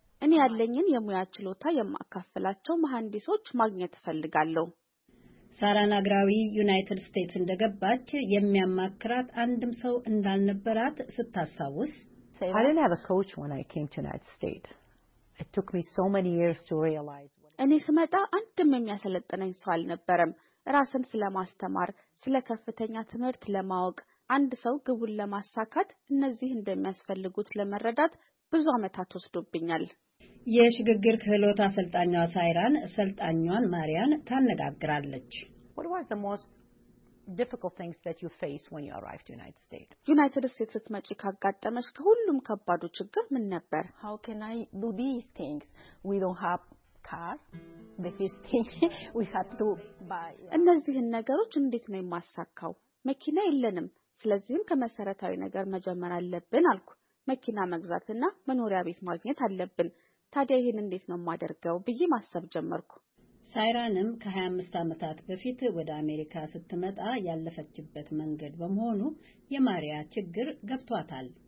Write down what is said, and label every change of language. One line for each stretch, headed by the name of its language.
Amharic: እኔ ያለኝን የሙያ ችሎታ የማካፈላቸው መሐንዲሶች ማግኘት ፈልጋለሁ። ሳራና ግራዊ ዩናይትድ ስቴትስ እንደገባች የሚያማክራት አንድም ሰው እንዳልነበራት ስታሳውስ
English: I didn't have a coach when I came to United States. It took me so many years to realize
Amharic: እኔ ስመጣ አንድም የሚያሰለጥነኝ ሰው አልነበረም። ራስን ስለማስተማር፣ ስለከፍተኛ ትምህርት ለማወቅ፣ አንድ ሰው ግቡን ለማሳካት እነዚህ እንደሚያስፈልጉት ለመረዳት ብዙ አመታት ወስዶብኛል። የሽግግር ክህሎት አሰልጣኛ ሳይራን አሰልጣኛን ማርያን ታነጋግራለች።
English: What was the most difficult things that you faced when you arrived to United States?
Amharic: United States ስትመጪ ካጋጠመሽ ከሁሉም ከባዱ ችግር ምን ነበር?
English: How can I do these things? We don't have car. The first thing we had to buy.
Amharic: እነዚህን ነገሮች እንዴት ነው የማሳካው? መኪና የለንም። ስለዚህም ከመሰረታዊ ነገር መጀመር አለብን አልኩ። መኪና መግዛትና መኖሪያ ቤት ማግኘት አለብን። ታዲያ ይሄን እንዴት ነው ማደርገው ብዬ ማሰብ ጀመርኩ። ሳይራንም ከ25 አመታት በፊት ወደ አሜሪካ ስትመጣ ያለፈችበት መንገድ በመሆኑ የማሪያ ችግር ገብቷታል።